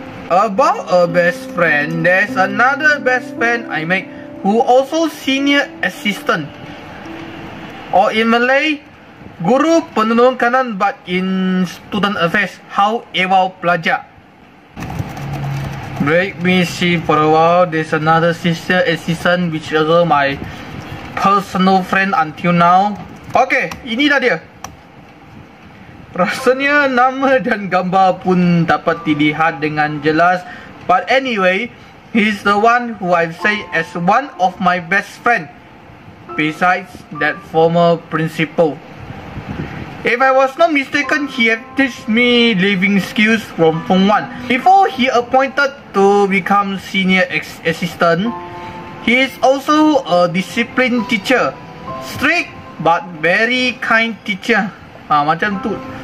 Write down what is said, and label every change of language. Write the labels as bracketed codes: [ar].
[en] About a best friend, there's another best friend I make who also senior assistant, or in Malay, [ms] guru penolong kanan, [en] but in student affairs, how ewal pelajar. Let me see for a while. There's another senior assistant which is also my personal friend until now. [ms] Okay, inilah dia. Rasanya nama dan gambar pun dapat dilihat dengan jelas. [en] But anyway, he's the one who I say as one of my best friend besides that former principal. If I was not mistaken, he had teach me living skills from Form 1. Before he appointed to become senior assistant, he is also a disciplined teacher. Strict but very kind teacher. [ms] Macam tu.